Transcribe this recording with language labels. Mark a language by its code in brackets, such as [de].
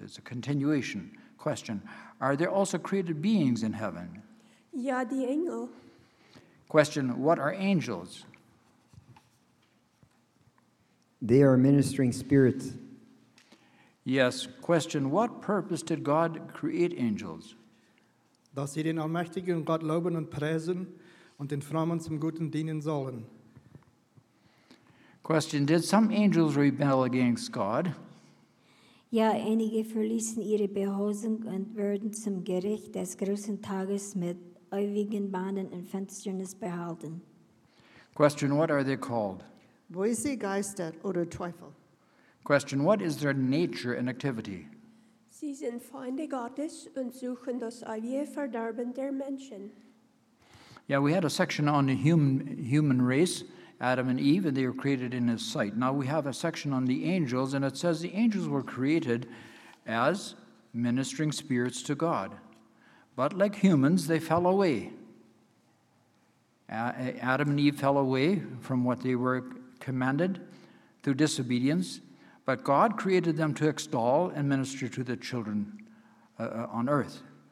[en] It's a continuation. Question, are there also created beings in heaven? [de] Ja, die Engel. [en] Question, what are angels? They are ministering spirits. Yes, question, what purpose did God create angels? [de] Dass sie den Allmächtigen Gott loben und preisen und den Frommen zum Guten dienen sollen. [en] Question, did some angels rebel against God? [de] Ja, einige verließen ihre Behausung und wurden zum Gericht des großen Tages mit ewigen Banden und Finsternis behalten. [en] Question, what are they called? [de] Böse Geister oder Teufel. [en] Question, what is their nature and activity? [de] Sie sind Feinde Gottes und suchen das ewige Verderben der Menschen. [en] Yeah, we had a section on the human race. Adam and Eve, and they were created in his sight. Now we have a section on the angels, and it says the angels were created as ministering spirits to God. But like humans, they fell away. Adam and Eve fell away from what they were commanded through disobedience, but God created them to extol and minister to the children on earth.